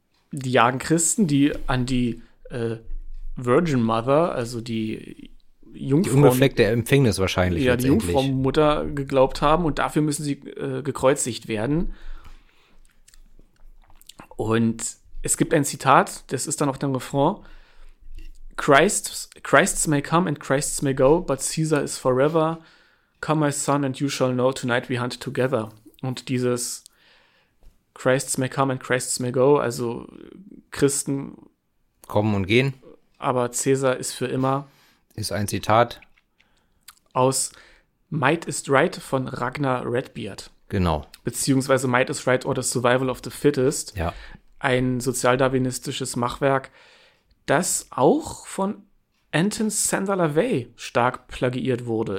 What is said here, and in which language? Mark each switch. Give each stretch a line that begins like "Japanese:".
German: Die jagen Christen, die an die
English: Virgin Mother,
German: also die Jungfrau. Die unbefleckte Empfängnis wahrscheinlich. Ja, die Jungfrau-Mutter geglaubt haben und dafür müssen sie gekreuzigt werden. Und es gibt ein Zitat, das ist dann auf dem Refrain.
English: Christs may come and Christs may go, but Caesar is forever. Come, my son, and you shall know, tonight we hunt together.
German: Und dieses
English: Christs may come and Christs may go,
German: also Christen kommen und gehen, aber Caesar ist für immer, ist ein Zitat aus Might is Right von Ragnar Redbeard. Genau. Beziehungsweise Might is Right or the Survival of the Fittest. Ja. Ein sozialdarwinistisches Machwerk, das auch von Anton Sandler-Lavey stark plagiiert wurde.